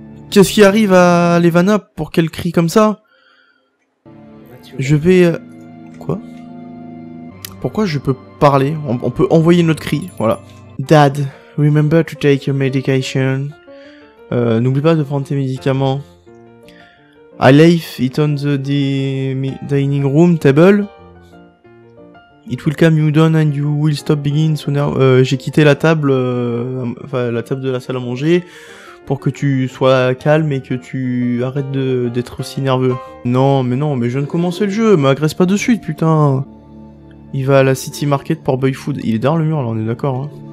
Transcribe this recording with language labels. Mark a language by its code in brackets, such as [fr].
[fr] Qu'est-ce qui arrive à Levana pour qu'elle crie comme ça? Je vais... Quoi? Pourquoi je peux parler? On peut envoyer notre cri, voilà. [en] Dad, remember to take your medication. [fr] N'oublie pas de prendre tes médicaments. [en] I leave it on the dining room table. It will calm you down and you will stop begin sooner. [fr] J'ai quitté la table, la table de la salle à manger. Pour que tu sois calme et que tu arrêtes d'être aussi nerveux. Non, mais je viens de commencer le jeu, m'agresse pas de suite, putain. Il va à la City Market pour Boy Food. Il est derrière le mur, là, on est d'accord. Hein.